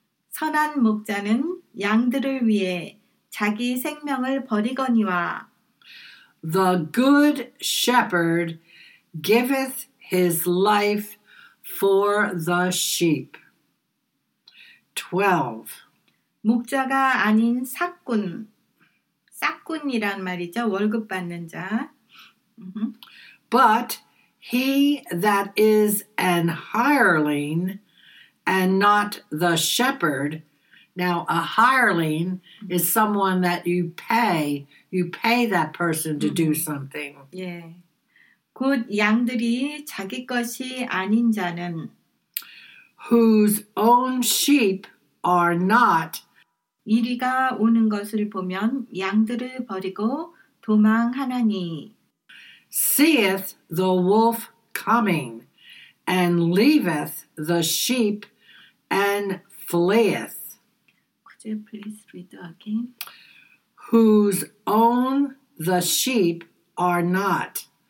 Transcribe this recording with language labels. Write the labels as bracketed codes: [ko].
[ko] 선한 목자는 양들을 위해 자기 생명을 버리거니와. [en] The good shepherd giveth his life for the sheep. 12. [ko] 목자가 아닌 삭군. 삭군이란 말이죠. 월급 받는 자. [en] But he that is an hireling and not the shepherd. Now, a hireling is someone that you pay. You pay that person to do something. [ko] 예. 곧 양들이 자기 것이 아닌 자는. [en] Whose own sheep are not. [ko] 이리가 오는 것을 보면 양들을 버리고 도망하나니. [en] Seeth the wolf coming and leaveth the sheep and fleeth. Could you please read again? Whose own the sheep are not.